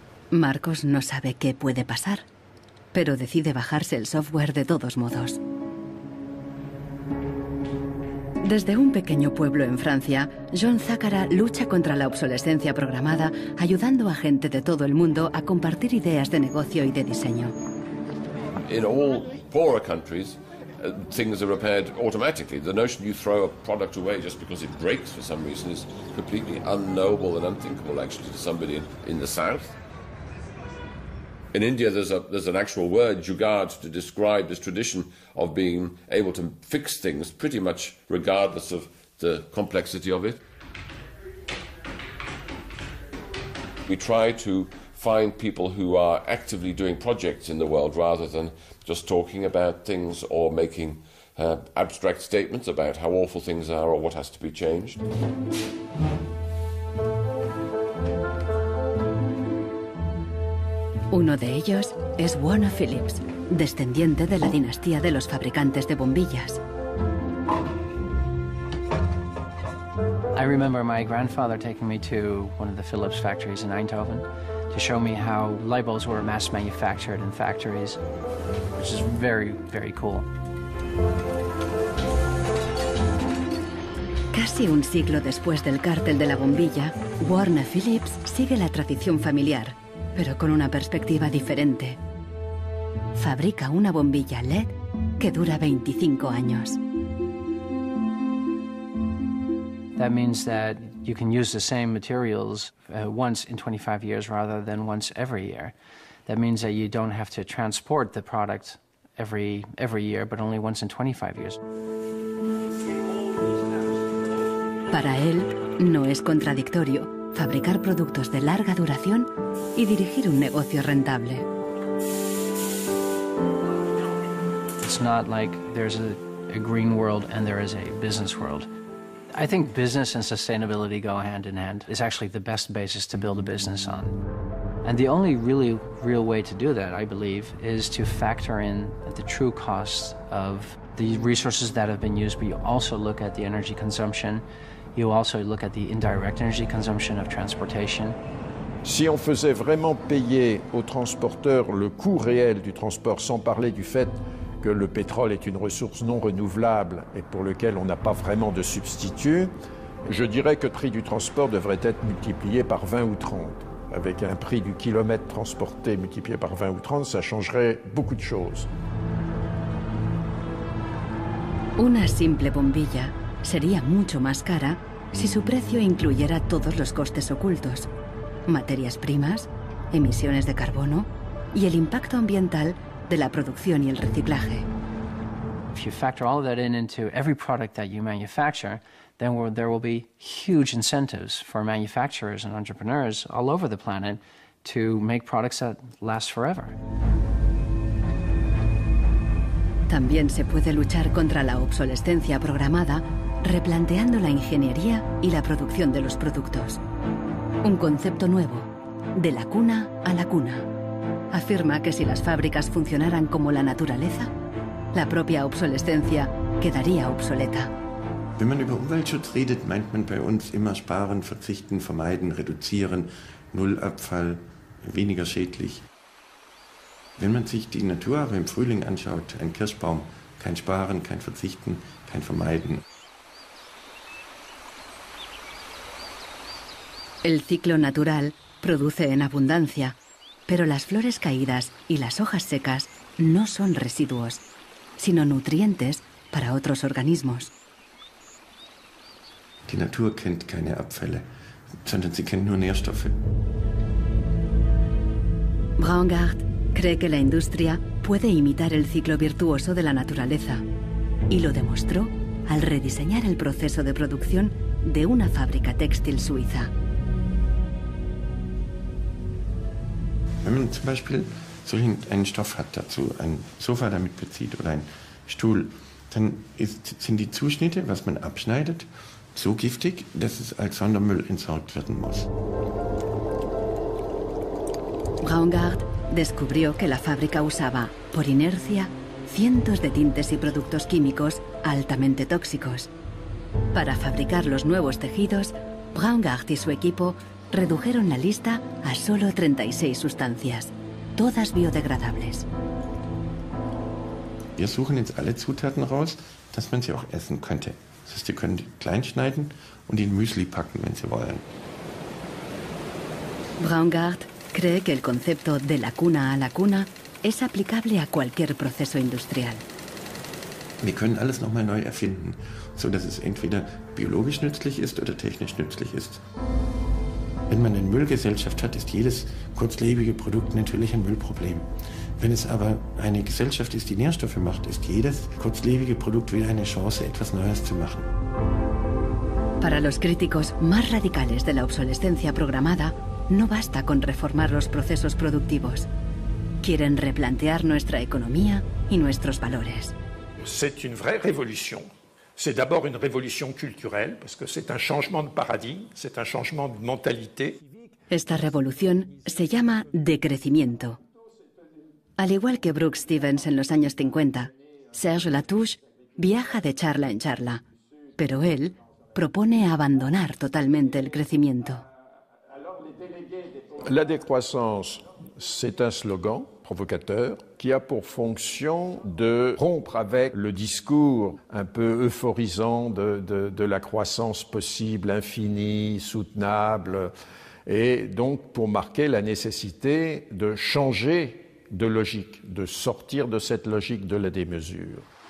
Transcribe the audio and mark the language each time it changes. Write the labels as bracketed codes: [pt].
[es] Marcos no sabe qué puede pasar, pero decide bajarse el software de todos modos. Desde un pequeño pueblo en Francia, John Zakara lucha contra la obsolescencia programada, ayudando a gente de todo el mundo a compartir ideas de negocio y de diseño. [en] In all poorer countries, things are repaired automatically. The notion you throw a product away just because it breaks for some reason is completely unknowable and unthinkable, actually, to somebody in the south. In India, there's an actual word, jugaad, to describe this tradition of being able to fix things pretty much regardless of the complexity of it. We try to find people who are actively doing projects in the world rather than just talking about things or making abstract statements about how awful things are or what has to be changed. Mm-hmm. [es] Uno de ellos es Warner Phillips, descendiente de la dinastía de los fabricantes de bombillas. [en] I remember my grandfather taking me to one of the Phillips factories in Eindhoven to show me how light bulbs were mass manufactured in factories, which is very, very cool. [es] Casi un siglo después del cártel de la bombilla, Warner Phillips sigue la tradición familiar, pero con una perspectiva diferente. Fabrica una bombilla LED que dura 25 años. [en] That means that you can use the same materials once in 25 years rather than once every year. That means that you don't have to transport the product every year, but only once in 25 years. [es] Para él, no es contradictorio fabricar productos de larga duración y dirigir un negocio rentable. [en] It's not like there's a green world and there is a business world. I think business and sustainability go hand in hand. It's actually the best basis to build a business on. And the only really real way to do that, I believe, is to factor in the true costs of the resources that have been used, but you also look at the energy consumption. You also look at the indirect energy consumption of transportation. [fr] Si on faisait vraiment payer aux transporteurs le coût réel du transport, sans parler du fait que le pétrole est une ressource non renouvelable et pour lequel on n'a pas vraiment de substitut, je dirais que le prix du transport devrait être multiplié par 20 ou 30. Avec un prix du kilomètre transporté multiplié par 20 ou 30, ça changerait beaucoup de choses. [es] Una simple bombilla sería mucho más cara si su precio incluyera todos los costes ocultos, materias primas, emisiones de carbono y el impacto ambiental de la producción y el reciclaje. [en] If you factor all of that in into every product that you manufacture, then there will be huge incentives for manufacturers and entrepreneurs all over the planet to make products that last forever. [es] También se puede luchar contra la obsolescencia programada replanteando la ingeniería y la producción de los productos. Un concepto nuevo, de la cuna a la cuna. Afirma que si las fábricas funcionaran como la naturaleza, la propia obsolescencia quedaría obsoleta. [de] Wenn man über Umweltschutz redet, meint man bei uns immer sparen, verzichten, vermeiden, reduzieren, null Abfall, weniger schädlich. Wenn man sich die Natur aber im Frühling anschaut, ein Kirschbaum, kein Sparen, kein Verzichten, kein Vermeiden. [es] El ciclo natural produce en abundancia, pero las flores caídas y las hojas secas no son residuos, sino nutrientes para otros organismos. [de] Die Natur kennt keine Abfälle, sondern sie kennt nur Nährstoffe. [es] Braungart cree que la industria puede imitar el ciclo virtuoso de la naturaleza y lo demostró al rediseñar el proceso de producción de una fábrica textil suiza. [de] Wenn man zum Beispiel so einen Stoff hat dazu, ein Sofa damit bezieht oder ein Stuhl, dann sind die Zuschnitte, was man abschneidet, so giftig, dass es als Sondermüll entsorgt werden muss. [es] Braungart descubrió que la fábrica usaba, por inercia, cientos de tintes y productos químicos altamente tóxicos. Para fabricar los nuevos tejidos, Braungart y su equipo redujeron la lista a solo 36 sustancias, todas biodegradables. [de] Wir suchen jetzt alle Zutaten raus, dass man sie auch essen könnte. Das heißt, sie können die klein schneiden und in Müsli packen, wenn sie wollen. [es] Braungart cree que el concepto de la cuna a la cuna es aplicable a cualquier proceso industrial. [de] Wir können alles noch mal neu erfinden, so dass es entweder biologisch nützlich ist oder technisch nützlich ist. Wenn man eine Müllgesellschaft hat, ist jedes kurzlebige Produkt natürlich ein Müllproblem. Wenn es aber eine Gesellschaft ist, die Nährstoffe macht, ist jedes kurzlebige Produkt wieder eine Chance, etwas Neues zu machen. [es] Para los críticos más radicales de la obsolescencia programada, no basta con reformar los procesos productivos. Quieren replantear nuestra economía y nuestros valores. [fr] C'est une vraie révolution. C'est d'abord une révolution culturelle, parce que c'est un changement de paradigme, c'est un changement de mentalité. [es] Esta revolución se llama decrecimiento. Al igual que Brooke Stevens en los años 50, Serge Latouche viaja de charla en charla, pero él propone abandonar totalmente el crecimiento. [fr] La décroissance, c'est un slogan provocateur qui a pour fonction de rompre avec le discours un peu euphorisant de la croissance possible, infinie, soutenable, et donc pour marquer la nécessité de changer de logique, de sortir de cette logique de la démesure.